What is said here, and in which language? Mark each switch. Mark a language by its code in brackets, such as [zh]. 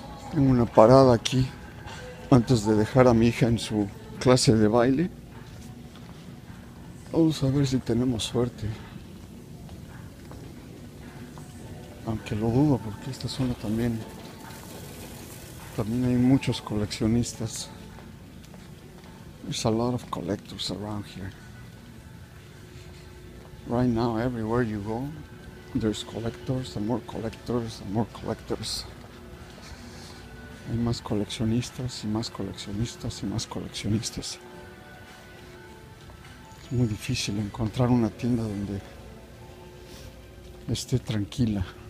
[es] Tengo una parada aquí antes de dejar a mi hija en su clase de baile. Vamos a ver si tenemos suerte. Aunque lo dudo porque esta zona también. También hay muchos coleccionistas. [en] There's a lot of collectors around here. Right now, everywhere you go, there's collectors and more collectors and more collectors. [es] Hay más coleccionistas y más coleccionistas y más coleccionistas. Es muy difícil encontrar una tienda donde esté tranquila.